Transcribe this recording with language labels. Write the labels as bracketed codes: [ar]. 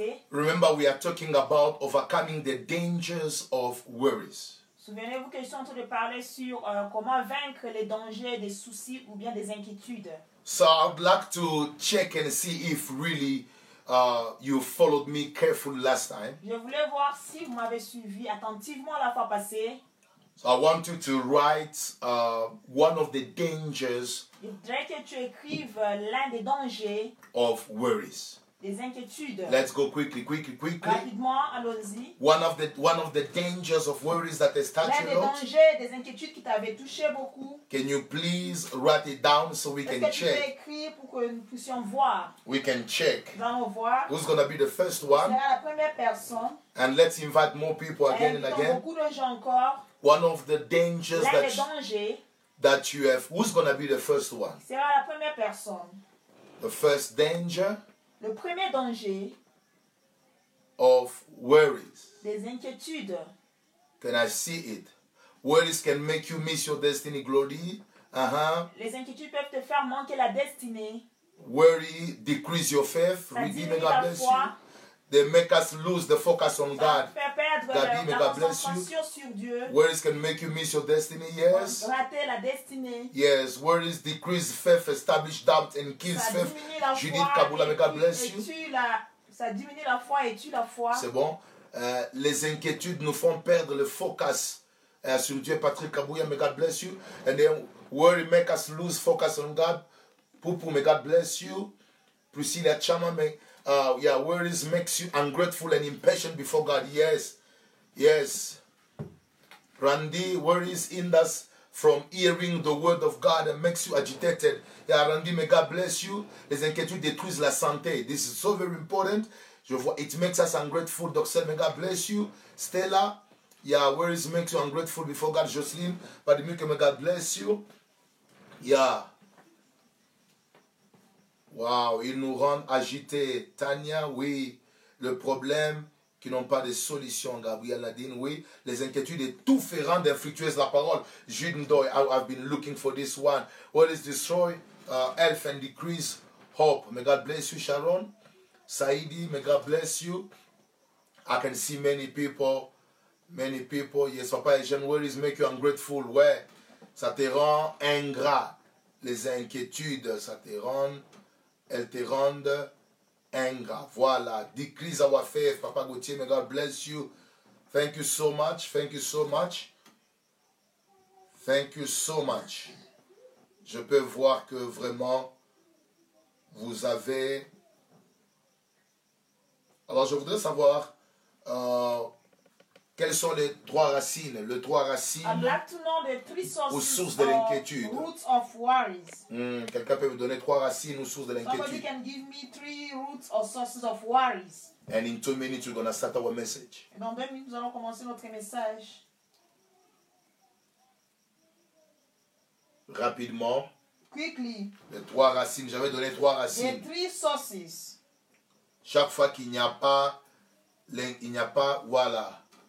[en] Remember, we are talking about overcoming the dangers of worries. [fr] Souvenez-vous que je suis en train de parler sur comment vaincre les dangers des soucis ou bien des inquiétudes. [en] So I'd like to check and see if really you followed me carefully last time. [fr] Je voulais voir si vous m'avez suivi attentivement la fois passée. [en] So I want you to write one of the dangers. [fr] Je voudrais que tu écrives l'un des dangers. [en] Of worries. [fr] Des inquiétudes. [en] Let's go quickly. [fr] Rapidement, allons-y. [en] One of the dangers of worries that has touched you. [fr] L'un des dangers, des inquiétudes qui t'avaient touché beaucoup. [en] Can you please write it down so we can check? [fr] Est-ce que tu peux écrire pour que nous puissions voir? [en] We can check. [fr] Vraiment voir. [en] Who's gonna be the first one? [fr] Sera la première personne. [en] And let's invite more people again and again. [fr] Beaucoup de gens encore. [en] One of the dangers that you have. Who's gonna be the first one? [fr] Sera la première personne. [en] The first danger. [fr] Le premier danger [en] of worries. [fr] Des inquiétudes. [en] Can I see it? Worries can make you miss your destiny, glory. [fr] Les inquiétudes peuvent te faire manquer la destinée. [en] Worry decrease your faith. Redeem and God bless you. They make us lose the focus on God. God be God bless you. Worries can make you miss your destiny. Yes. [fr] Rater la destinée. [en] Yes. Worries decrease faith, establish doubt, and kills faith. [fr] Je dis Kaboula, [en] God bless you. [fr] Ça diminue la foi et tue la foi. C'est bon. Les inquiétudes nous font perdre le focus sur Dieu. [en] Patrick Kabouya, may God bless you. And then worry make us lose focus on God. Poupou, may God bless you. Priscilla Chama, worries makes you ungrateful and impatient before God. Yes, yes. Randy, worries hinders from hearing the word of God and makes you agitated. Yeah, Randy, may God bless you. [fr] Les inquiétudes détruisent la santé. [en] This is so very important. [fr] Je vois, [en] it makes us ungrateful. Doxel, may God bless you. Stella, yeah, worries makes you ungrateful before God. Jocelyn, but may God bless you. Yeah. [fr] Wow, ils nous rendent agités. Tania, oui. Le problème, qui n'ont pas de solution. Gabriel Nadine, oui. Les inquiétudes et tout fait rendre infructueuse la parole. [en] Jude Ndoy, I've been looking for this one. What is destroy health and decrease hope. May God bless you, Sharon. Saidi, may God bless you. I can see many people. Many people. Yes, Papa Eugene, worries make you ungrateful. [fr] Ouais, ça te rend ingrat. Les inquiétudes, ça te rend... Elle te rend ingrat. Voilà. [en] Decrease our faith. Papa Gauthier, may God bless you. Thank you so much. Thank you so much. Thank you so much. [fr] Je peux voir que vraiment, vous avez... Alors, je voudrais savoir quelles sont les trois racines. Le trois racines aux sources de l'inquiétude. [en] Roots of worries. [fr] Quelqu'un peut me donner trois racines aux sources de l'inquiétude. [en] Somebody can give me three roots or sources of worries. And in 2 minutes, we're going to start our message. [fr] Et dans 2 minutes, nous allons commencer notre message. Rapidement. [en] Quickly. [fr] Les trois racines. J'avais donné trois racines. [en] The three sources. [fr] Chaque fois qu'il n'y a pas... Il n'y a pas... Voilà.